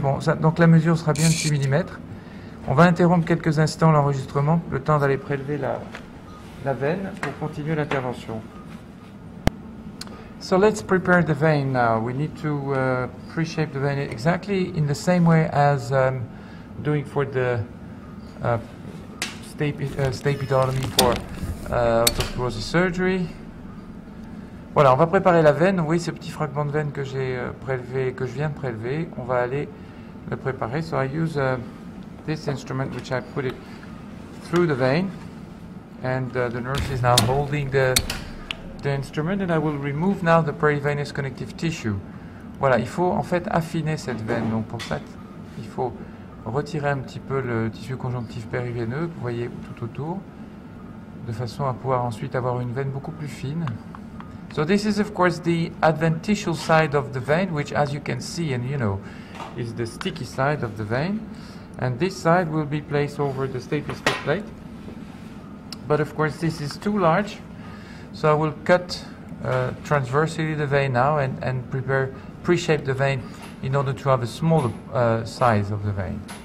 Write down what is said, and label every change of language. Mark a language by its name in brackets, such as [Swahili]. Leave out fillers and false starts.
[French] Bon, ça, donc la mesure sera bien de 6 millimètres. On va interrompre quelques instants l'enregistrement, le temps d'aller prélever la veine pour continuer l'intervention. [English] So let's prepare the vein now. We need to pre-shape the vein exactly in the same way as doing for the stapedotomy for osteoporosis surgery. [French] Voilà, on va préparer la veine. Oui, ce petit fragment de veine que j'ai prélevé, que je viens de prélever, on va aller le préparer. [English] So I use this instrument, which I put it through the vein, and the nurse is now holding the instrument, and I will remove now the perivenous connective tissue. [French] Voilà, il faut en fait affiner cette veine. Donc pour ça, il faut retirer un petit peu le tissu conjonctif périveineux, vous voyez, tout autour, de façon à pouvoir ensuite avoir une veine beaucoup plus fine. [English] So this is of course the adventitial side of the vein, which as you can see and you know, is the sticky side of the vein. And this side will be placed over the stapes foot plate. But of course this is too large, so I will cut transversely the vein now and prepare, pre-shape the vein in order to have a smaller size of the vein.